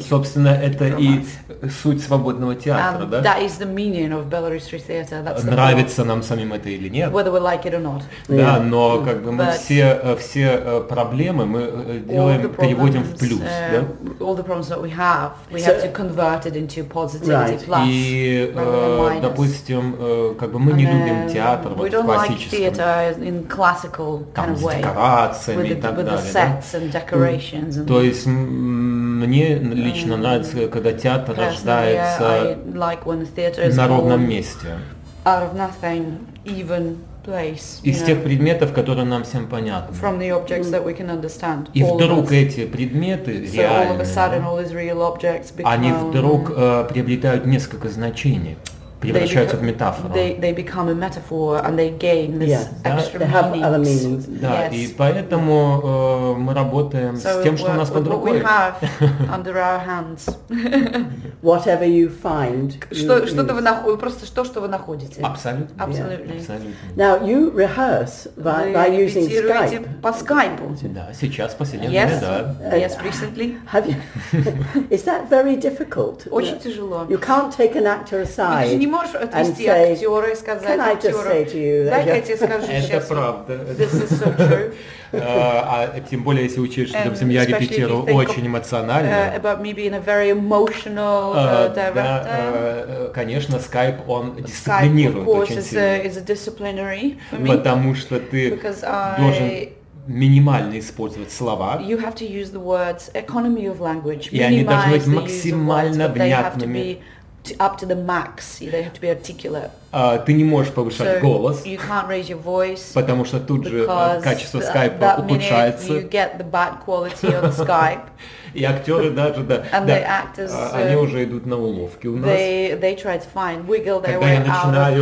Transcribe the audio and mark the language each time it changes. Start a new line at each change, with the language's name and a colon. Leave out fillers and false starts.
Russian: Собственно, это и суть свободного театра, да?
English: That is the meaning of Belarus Free Theatre.
Russian: Нравится нам самим это или нет?
English: Whether we like it or not.
Russian: Да, но как бы мы все проблемы мы делаем, переводим в плюс, да?
English: All the problems that we have, we have to convert it into positivity plus.
Russian: И, допустим, как бы мы не любим театр в классическом.
English: We don't like theatre in classical kind of way.
Russian: С декорациями и так далее. То есть мне лично нравится, когда театр рождается на ровном месте.
English: Out of nothing, even place.
Russian: Из тех предметов, которые нам всем понятны.
English: From the objects that we can understand.
Russian: И вдруг эти предметы реальные, они вдруг приобретают несколько значений. Превращаются в метафору.
English: They become a metaphor and they gain this extra meaning.
Russian: Да, и поэтому мы работаем с тем, что у нас под рукой.
English: What we have under our hands. Whatever you find.
Russian: Что вы находите? Абсолютно. Абсолютно.
English: Now you rehearse by using Skype.
Russian: Вы репетируете по Скайпу. Да, сейчас, в последнее время, да.
English: Yes, recently. Have you? Is that very difficult?
Russian: Очень тяжело.
English: You can't take an actor aside.
Russian: Не можешь отвести актера и сказать
English: Can I just
Russian: актеру,
English: say to you that
Russian: дай-ка я тебе скажу сейчас. Это правда.
English: This is so true.
Russian: Тем более, если учесть, что я репетирую очень эмоционально.
English: About me being a very emotional director.
Russian: Да, конечно, Skype, он дисциплинирует очень сильно.
English: Skype, of course, is a disciplinary for me.
Russian: Потому что ты должен минимально использовать слова.
English: You have to use the words, economy of language.
Russian: И они должны быть максимально внятными.
English: Up to the max, they have to be articulate.
Russian: Ты не можешь повышать голос,
English: you can't raise your voice,
Russian: потому что тут же качество Skype ухудшается.
English: You get the bad quality on Skype.
Russian: И актеры даже, да,
English: and
Russian: да
English: the actors,
Russian: они уже идут на уловки у нас.
English: They try to find, wiggle their way
Russian: я начинаю